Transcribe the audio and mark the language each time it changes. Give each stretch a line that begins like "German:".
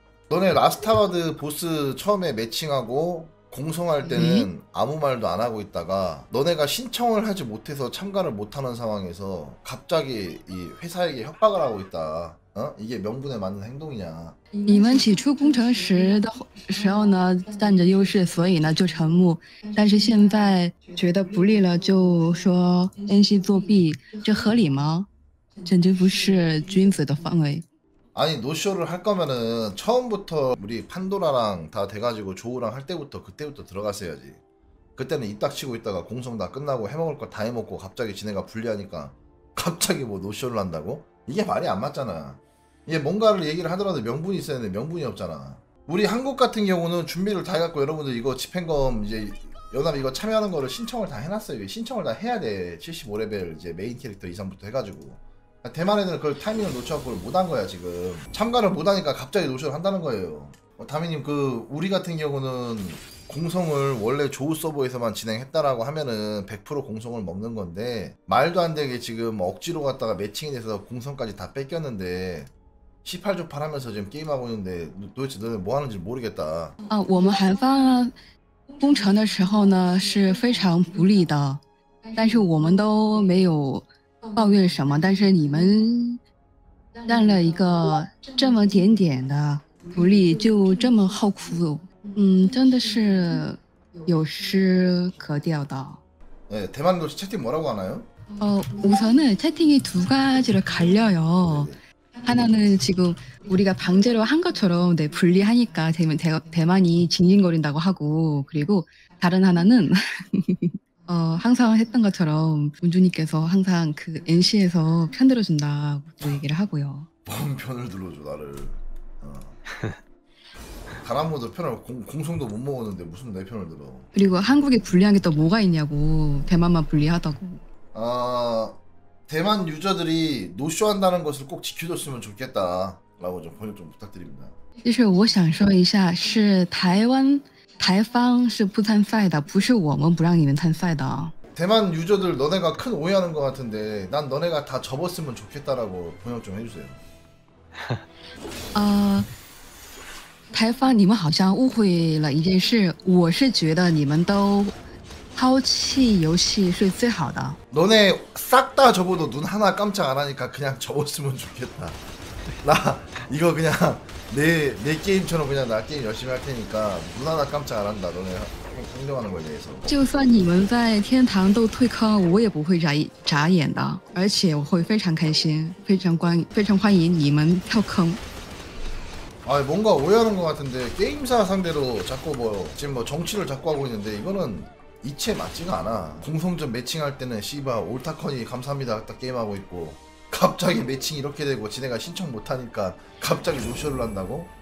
Korean: 전에 라스타가드 보스 처음에 매칭하고 공성할 때는 아무 말도 안 하고 있다가 너네가 신청을 하지 못해서 참가를 못하는 상황에서 갑자기 이 회사에게 협박을 하고 있다. 어? 이게 명분에 맞는 행동이냐?
Chinese: 你们起初工程时的时候呢，占着优势，所以呢就沉默。但是现在觉得不利了，就说 NC 作弊，这合理吗？简直不是君子的范围。
Korean: 아니, 노쇼를 할 거면은 처음부터 우리 판도라랑 다 돼가지고 조우랑 할 때부터 그때부터 들어가서 해야지. 그때는 이딱 치고 있다가 공성 다 끝나고 해먹을 거다 해먹고 갑자기 지네가 불리하니까 갑자기 뭐 노쇼를 한다고? 이게 말이 안 맞잖아. 이게 뭔가를 얘기를 하더라도 명분이 있어야 되는데 명분이 없잖아. 우리 한국 같은 경우는 준비를 다 해갖고 여러분들 이거 집행검 이제 연합 이거 참여하는 거를 신청을 다 해놨어요. 신청을 다 해야 돼. 75레벨 이제 메인 캐릭터 이상부터 해가지고. 대만 애들은 그걸 타이밍을 놓쳐갖고 못한 거야, 지금. 참가를 못하니까 갑자기 노쇼를 한다는 거예요. 다미님, 우리 같은 경우는 공성을 원래 조우 서버에서만 진행했다라고 하면은 100% 공성을 먹는 건데, 말도 안 되게 지금 억지로 갔다가 매칭이 돼서 공성까지 다 뺏겼는데, 18조팔 하면서 지금 게임하고 있는데, 도대체 너네 뭐 하는지 모르겠다.
Chinese: 啊，我们韩方攻城的时候呢是非常不利的，但是我们都没有抱怨什么。但是你们占了一个这么点点的不利，就这么好哭，真的是有失格调的。
Korean: 네, 대만도시 채팅 뭐라고 하나요? 우선은 채팅이 두 가지로 갈려요. 하나는 지금 우리가 방제로 한 것처럼 네, 불리하니까 대만이 징징거린다고 하고, 그리고 다른 하나는 항상 했던 것처럼 문주님께서 항상 그 NC에서 편 들어준다고 얘기를 하고요. 뭔 편을 들어줘 나를. 다란모도 편을 공성도 못 먹었는데 무슨 내 편을 들어. 그리고 한국이 불리한 게또 뭐가 있냐고, 대만만 불리하다고. 대만 유저들이 노쇼한다는 것을 꼭 지켜줬으면 좋겠다라고 좀 번역 좀 부탁드립니다.
Chinese: 就是我想说一下，是台湾台方是不参赛的，不是我们不让你们参赛的。
Korean: 대만 유저들 너네가 큰 오해하는 것 같은데 난 너네가 다 접었으면 좋겠다라고 번역 좀 해주세요.
Chinese: 台方，你们好像误会了一件事，我是觉得你们都抛弃游戏是最好的。
Korean: 너네 싹다 접어도 눈 하나 깜짝 안 하니까 그냥 접었으면 좋겠다. 나 이거 그냥 내 게임처럼 그냥 나 게임 열심히 할 테니까 눈 하나 깜짝 안 한다. 너네 행동하는 거에 대해서.
Chinese: 就算你们在天堂都退坑，我也不会眨眼的，而且我会非常开心，非常欢迎你们跳坑。
Korean: 아, 뭔가 오해하는 것 같은데 게임사 상대로 자꾸 뭐 지금 뭐 정치를 자꾸 하고 있는데 이거는 이치에 맞지가 않아. 공성전 매칭할 때는 씨바 올타커니 감사합니다 딱 게임하고 있고 갑자기 매칭 이렇게 되고 지네가 신청 못하니까 갑자기 노쇼를 한다고?